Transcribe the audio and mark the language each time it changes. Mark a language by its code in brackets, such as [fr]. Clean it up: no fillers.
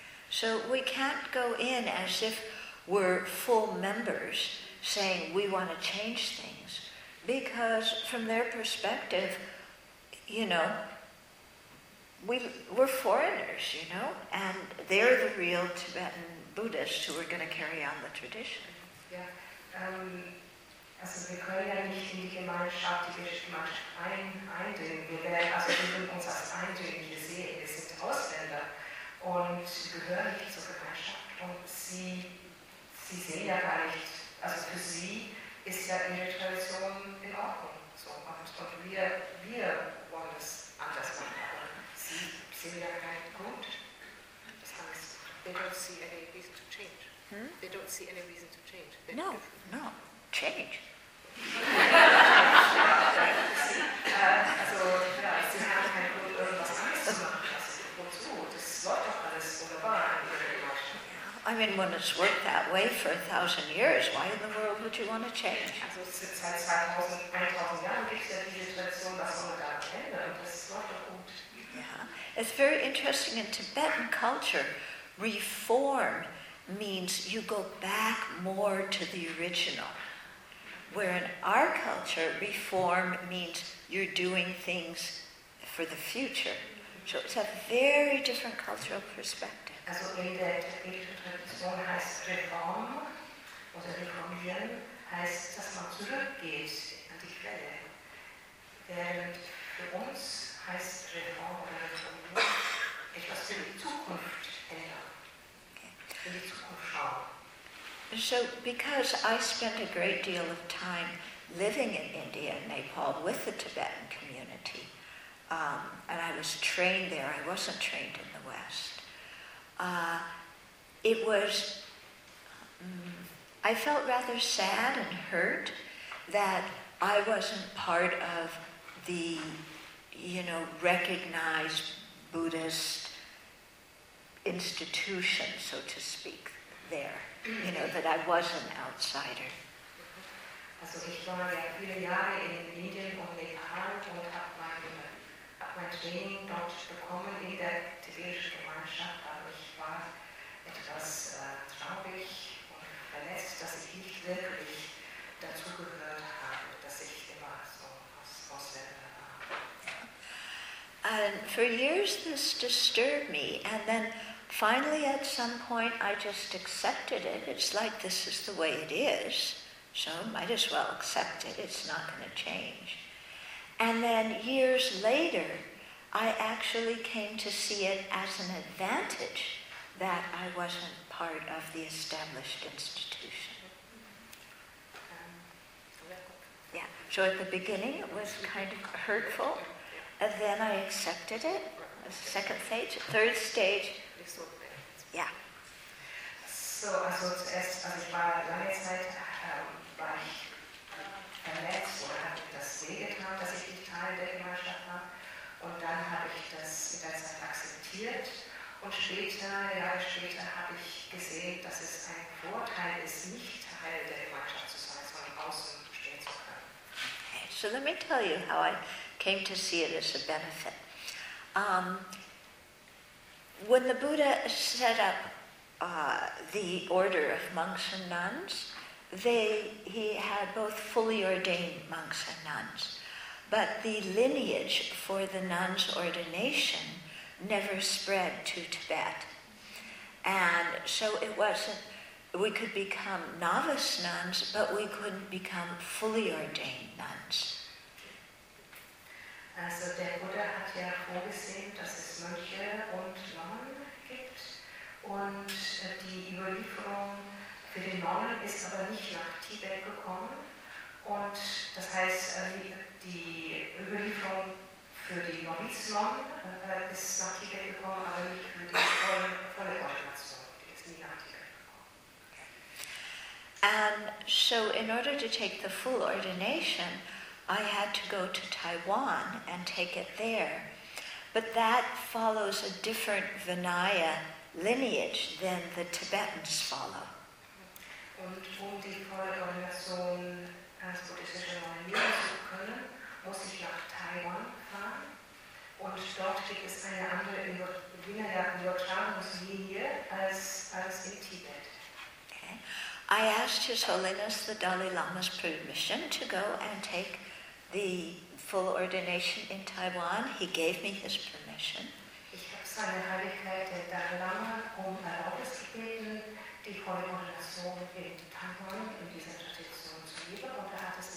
[en] So we can't go in as if we're full members saying we want to change things, because from their perspective, you know, we're foreigners, you know, and they're the real Tibetan Buddhists who are going to carry on the tradition. Yeah. [de] Also wir können ja nicht in die Gemeinschaft, eindringen. Wir werden also wir uns als Eindringlinge sehen. Wir sind Ausländer und gehören nicht zur Gemeinschaft. Und sie sehen ja gar nicht, also für sie ist ja ihre Tradition in Ordnung. So, und wir wollen es anders machen. Aber sie sehen ja keinen Grund. Das heißt, [en] they don't see any reason to change. They don't see any reason to change. No. Change. [de] Also, ja, sie haben keinen Grund, irgendwas anderes zu machen. Also, wozu? Das läuft doch alles wunderbar. [en] I mean, when it's worked that way for 1,000 years, why in the world would you want to change? [de] Also, seit 1,000 Jahren gibt es ja diese Tradition, was man da ändern. Das läuft doch gut. [en] Yeah. It's very interesting in Tibetan culture, reform means you go back more to the original. Where in our culture, reform means you're doing things for the future. So it's a very different cultural perspective. [de] Also in der tibetischen Tradition heißt Reform oder Reformieren, heißt, dass man zurückgeht an die Quelle. Während für uns heißt Reform oder Reformieren etwas für die Zukunft ändern, für die Zukunft schauen. [en] So, because I spent a great deal of time living in India and Nepal with the Tibetan community, and I was trained there, I wasn't trained in the West, I felt rather sad and hurt that I wasn't part of the, you know, recognized Buddhist institution, so to speak, there. You know, that I was an outsider. [de] Also ich war ja viele Jahre in Indien und Nepal und habe mein Training dort bekommen in der tibetischen Gemeinschaft, aber ich war etwas traurig und verletzt, dass ich nicht wirklich dazu gehört habe, dass ich immer so Ausländer war. [en] And for years this disturbed me, and then finally, at some point, I just accepted it. It's like, this is the way it is, so might as well accept it. It's not going to change. And then years later, I actually came to see it as an advantage that I wasn't part of the established institution. Yeah, so at the beginning, it was kind of hurtful, and then I accepted it. Second stage, third stage, yeah. [de] So, also zuerst, also ich war lange Zeit, war ich verletzt und habe das wehgetan, dass ich nicht Teil der Gemeinschaft war. Und dann habe ich das in der Zeit akzeptiert. Und später, Jahre später, habe ich gesehen, dass es ein Vorteil ist, nicht Teil der Gemeinschaft zu sein, sondern außen stehen zu können. [en] Okay, so let me tell you how I came to see it as a benefit. When the Buddha set up the order of monks and nuns, he had both fully ordained monks and nuns. But the lineage for the nuns' ordination never spread to Tibet. And so it wasn't, we could become novice nuns, but we couldn't become fully ordained nuns. [de] Also der Buddha hat ja vorgesehen, dass es Mönche und Nonnen gibt und die Überlieferung für den Nonnen ist aber nicht nach Tibet gekommen und das heißt, die Überlieferung für die Novizen-Nonnen ist nach Tibet gekommen, aber nicht für die volle Ordination, die ist nie nach Tibet gekommen. [en] And so in order to take the full ordination, I had to go to Taiwan and take it there. But that follows a different Vinaya lineage than the Tibetans follow. [de] Und um die Vollordination als buddhistische Lehrerin zu können, muss ich nach Taiwan fahren. Und dort gibt es eine andere Vinaya-Übertragungslinie als in Tibet. [en] Okay. I asked His Holiness the Dalai Lama's permission to go and take the full ordination in Taiwan. He gave me his permission. [de] Ich habe seine Heiligkeit der Dalai Lama um Erlaubnis gebeten, die volle Ordination in Taiwan in dieser Tradition zu geben, und er hat